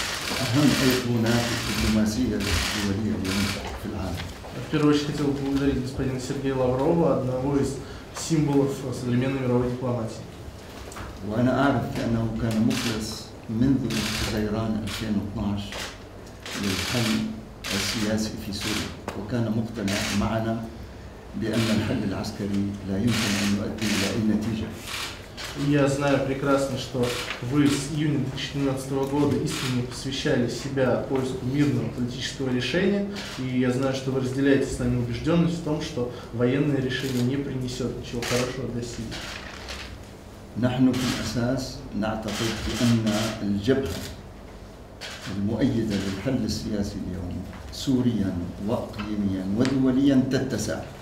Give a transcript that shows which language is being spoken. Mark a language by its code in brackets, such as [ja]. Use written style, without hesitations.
[ar] أهم أيقونة في الدبلوماسية الدولية اليوم في العالم. [ru] Первое, что я хотел поблагодарить господина Сергея Лаврова, одного из символов современной мировой дипломатии. [ar] وأنا أعرف أنه كان مخلص منذ حزيران 2012 للحل السياسي في سوريا، وكان مقتنع معنا بأن الحل العسكري لا يمكن أن يؤدي إلى أي نتيجة. [ru] Я знаю прекрасно, что вы с июня 2014 года искренне посвящали себя поиску мирного политического решения, и я знаю, что вы разделяете с нами убежденность в том, что военное решение не принесет ничего хорошего для Сирии. [ar] نحن في الأساس نعتقد بأن الجبهة المؤيدة للحل السياسي اليوم سوريا وإقليميا ودوليا تتسع.